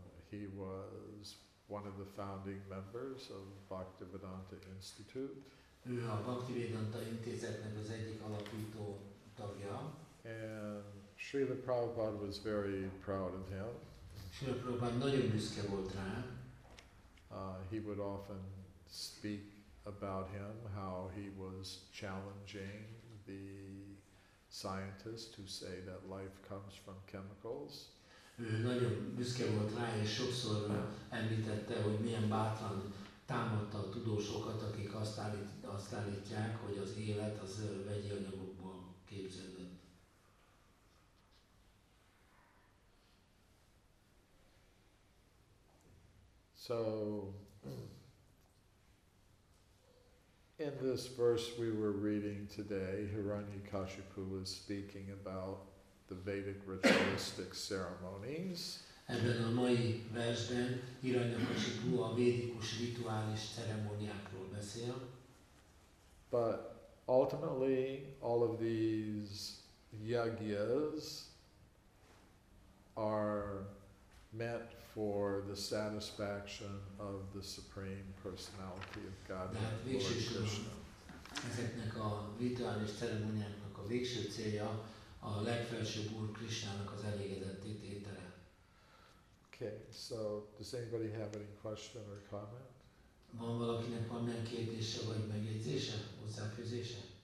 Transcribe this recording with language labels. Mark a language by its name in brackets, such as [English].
[English] He was one of the founding members of Bhaktivedanta Institute. [Hungarian] Ő a Bhaktivedanta Intézetnek az egyik alapító tagja. [English] And Srila Prabhupada was very proud of him. [Hungarian] Srila Prabhupada nagyon büszke volt rá. [English] He would often speak about him, how he was challenging the scientists who say that life comes from chemicals. [Hungarian] Ő nagyon büszke volt rá, és sokszor említette, hogy milyen bátran támadta a tudósokat, akik azt állítják, hogy az élet az vegyi anyagokból képződött. [English] So, in this verse we were reading today, Hiranyakashipu was speaking about the Vedic ritualistic ceremonies. [Hungarian] Ebben a mai versben Hiranyakashipu a védikus rituális ceremóniákról beszél. [English] But ultimately, all of these yagyas are meant for the satisfaction of the Supreme Personality of Godhead, Lord Krishna. [Hungarian] Ezeknek a rituális ceremóniáknak a végső célja a legfelsőbb Úr Krisnának az elégedettét étele. [English] Okay, so does anybody have any question or comment? [Hungarian] Van valakinek valamilyen kérdése vagy megjegyzése, hozzáfűzése?